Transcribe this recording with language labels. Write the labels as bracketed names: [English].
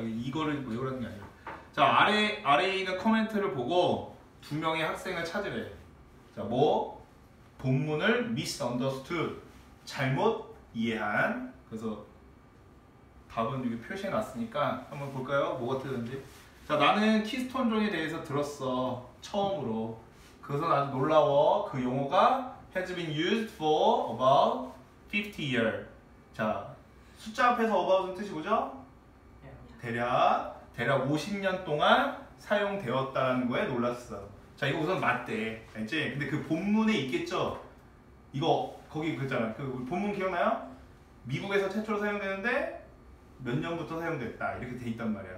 [Korean] 이거를 외우라는 게 아니라. 자, 아래에 있는 코멘트를 보고 두 명의 학생을 찾으래. 자, 뭐 본문을 misunderstood, 잘못 이해한. 그래서 답은 여기 표시해 놨으니까 한번 볼까요? 뭐가 틀렸는지. 자, 나는 키스톤 존에 대해서 들었어. 처음으로. 그래서 나도 놀라워. 그 용어가 [English] has been used for about 50 years. [Korean] 자, 숫자 앞에서 about은 뜻이 뭐죠? 대략 50년 동안 사용되었다는 거에 놀랐어. 자, 이거 우선 맞대. 알지? 근데 그 본문에 있겠죠? 이거, 거기 그잖아. 그 본문 기억나요? 미국에서 최초로 사용되는데, 몇 년부터 사용됐다 이렇게 돼 있단 말이야.